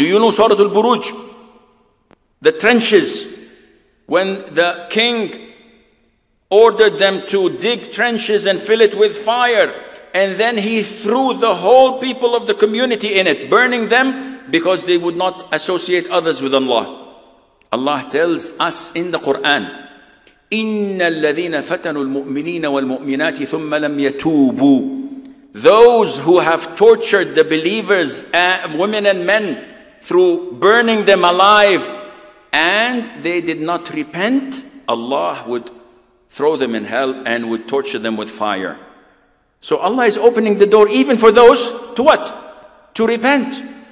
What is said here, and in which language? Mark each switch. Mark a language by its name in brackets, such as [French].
[English] Do you know Surah Al-Buruj? The trenches. When the king ordered them to dig trenches and fill it with fire, and then he threw the whole people of the community in it, burning them because they would not associate others with Allah. [Arabic] Allah tells us in the Quran, إِنَّ الَّذِينَ فَتَنُوا الْمُؤْمِنِينَ وَالْمُؤْمِنَاتِ ثُمَّ لَمْ يَتُوبُوا. [English] Those who have tortured the believers, women and men, through burning them alive, and they did not repent, Allah would throw them in hell and would torture them with fire. So Allah is opening the door even for those to what? To repent.